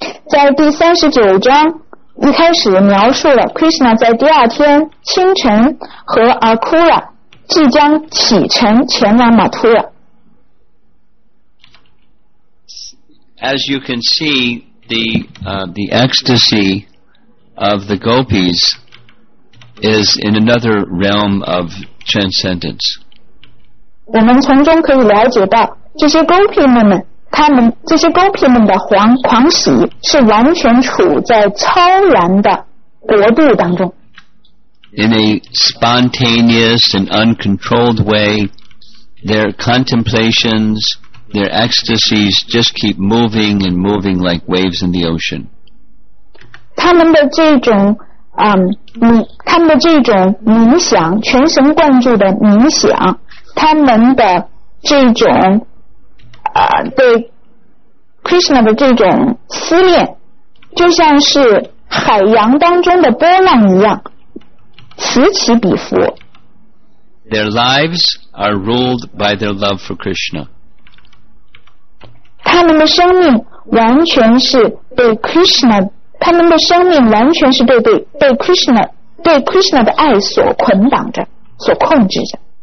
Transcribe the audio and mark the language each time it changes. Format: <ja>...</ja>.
<zh>在第三十九章一开始描述了 Krishna 在第二天清晨和 Akura 即将启程前往 Mathura</zh> <en>As you can see the ecstasy of the gopis is in another realm of transcendence</en> <zh>我们从中可以了解到这些 gopi 们们他们这些 gopi 们的狂喜是完全处在超然的国度当中</zh> <en>In a spontaneous and uncontrolled way their contemplations their ecstasies just keep moving and moving like waves in the ocean</en> <zh>他们的这种他们的这种冥想全神贯注的冥想他们的这种对 Krishna 的这种思念就像是海洋当中的波浪一样此起彼伏</zh> <en>Their lives are ruled by their love for Krishna</en> <zh>他们的生命完全是对 Krishna 他们的生命完全是对 Krishna 对 Krishna 的爱所捆绑着所控制着</zh>